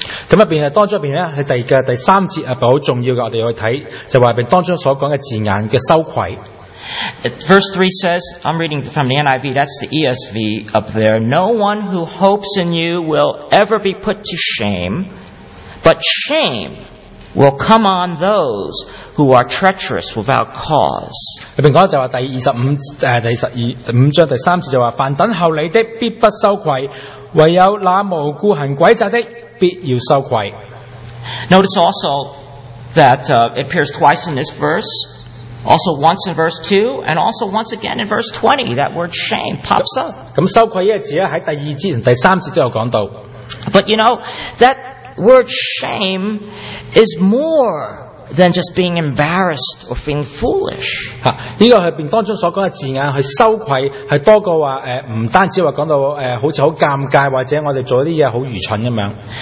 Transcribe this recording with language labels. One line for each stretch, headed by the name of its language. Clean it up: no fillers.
Cantonese: 咁入边系当中入边咧，系第三节啊，好重要嘅。我哋去睇就话入边当中所讲嘅字眼嘅羞愧。
English: Verse 3 says, I'm reading from the NIV. That's the ESV up there. No one who hopes in you will ever be put to shame, but shame will come on those who are treacherous without cause.
Cantonese: 入边讲就话第十五章第三节就话，凡等候你的必不羞愧。唯有那无故行诡诈的，必要羞愧。
English: Notice also that it appears twice in this verse, also once in verse 2, and also once again in verse 20. That word shame pops up.
Cantonese: 咁羞愧呢个字咧，喺第二节同第三节都有讲到。
English: But you know that word shame is more. Than just being embarrassed or being foolish.
Cantonese: 呢个系边当中所讲嘅字眼，系羞愧，系多过话唔单止话讲到好似好尴尬，或者我哋做啲嘢好愚蠢咁样。